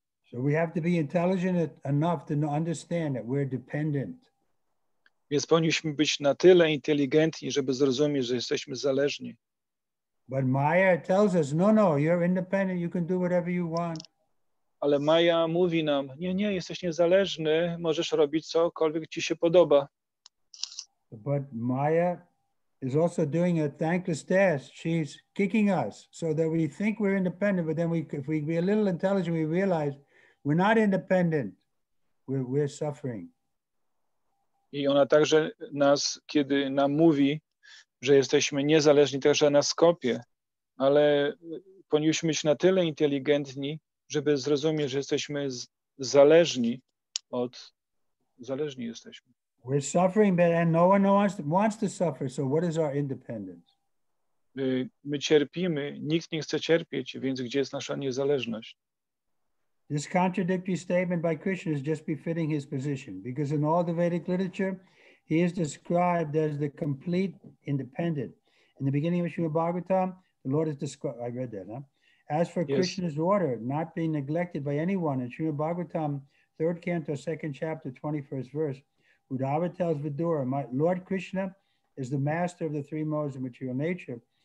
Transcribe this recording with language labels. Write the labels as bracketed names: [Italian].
[English] So we have to be intelligent enough to understand that we're dependent. [Polish] Więc powinniśmy być na tyle inteligentni, żeby zrozumieć, że jesteśmy zależni. [English] But Maya tells us, no, you're independent, you can do whatever you want. [Polish] Ale Maya mówi nam, nie, jesteś niezależny, możesz robić cokolwiek ci się podoba. [English] But Maya is also doing a thankless task. She's kicking us so that we think we're independent, but then if we be a little intelligent, we realize we're not independent, we're suffering. [Polish] I ona także nas, kiedy nam mówi, że jesteśmy niezależni, także na skopie, ale powinniśmy być na tyle inteligentni, żeby zrozumieć, że jesteśmy zależni jesteśmy. [English] We're suffering, but no one wants to suffer, so what is our independence? [Polish] My cierpimy, nikt nie chce cierpieć, więc gdzie jest nasza niezależność? [English] This contradictory statement by Krishna is just befitting his position, because in all the Vedic literature, he is described as the complete independent. In the beginning of Srimad Bhagavatam, the Lord is described, I read that, huh? As for yes. Krishna's order, not being neglected by anyone, in Srimad Bhagavatam, third canto, second chapter, 21st verse, Uddhava tells Vidura, Lord Krishna is the master of the three modes of material nature.